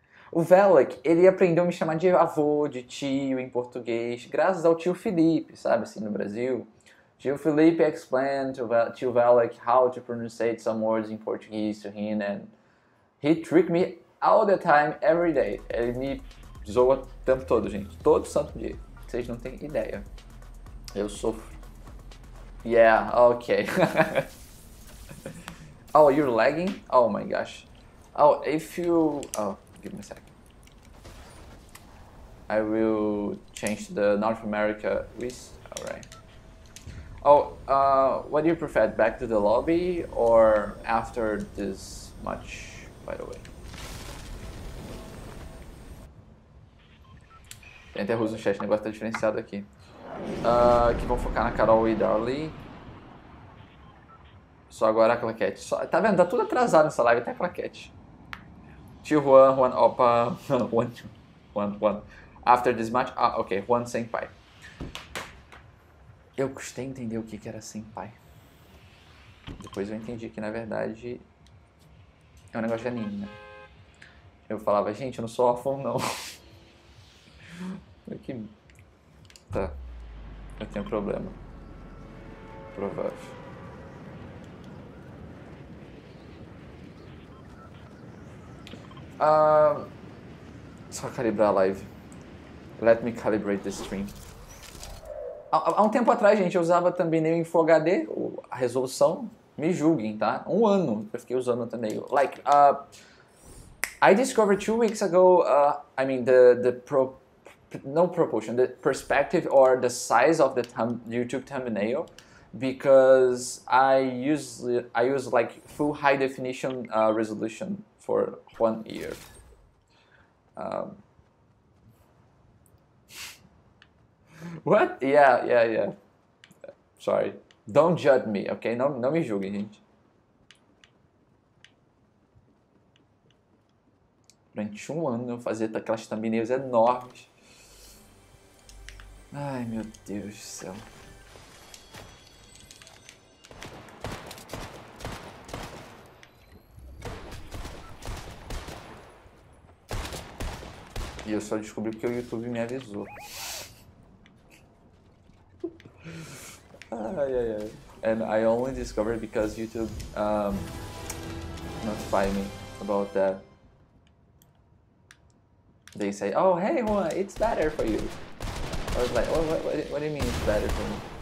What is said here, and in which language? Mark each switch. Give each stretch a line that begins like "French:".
Portuguese: O Velik, ele aprendeu a me chamar de avô, de tio em português, graças ao tio Felipe, sabe, assim, no Brasil.
English: Tio Felipe explained to Velik how to pronunciate some words in Portuguese to him, and he tricked me all the time, every day.
Portuguese: Ele me zoa o tempo todo, gente. Todo santo dia. Vocês não têm ideia. Eu sofro.
English: Yeah, okay. Oh, you're lagging? Oh my gosh. Oh, if you... Oh, give me a sec. I will change the North America list. Alright. Oh, what do you prefer? Back to the lobby or after this match, by the way?
Portuguese: Tem até russo no chat, o negócio tá diferenciado aqui. Que vão focar na Carol e Darley. Só agora a claquete. Só, tá vendo? Tá tudo atrasado nessa live, até a claquete. Tio Juan, Juan, opa. Juan, Juan, Juan.
English: After this match.
Portuguese: Ah, ok. Juan Senpai. Eu custei entender o que era Senpai. Depois eu entendi que, na verdade, é um negócio de anime, né? Eu falava, gente, eu não sou órfão, não. Que... Tá. Eu tenho um problema. Provável. Só calibrar a live.
English: Let me calibrate the stream.
Portuguese: Há um tempo atrás, gente, eu usava thumbnail em Full HD, a resolução. Me julguem, tá? Um ano eu fiquei usando thumbnail.
English: Like, I discovered 2 weeks ago, I mean, the perspective or the size of the YouTube thumbnail, because I use like full high definition resolution for 1 year. What? Yeah. Sorry. Don't judge me, okay?
Portuguese: Não me julguem, gente. Durante um ano eu fazia aquelas thumbnails enormes. Ai, meu Deus do céu. E eu só descobri porque o YouTube me avisou. Ai.
English: And I only discovered because YouTube notified me about that. they say, oh, hey, Juan, it's better for you. I was like, oh, what do you mean it's better for me?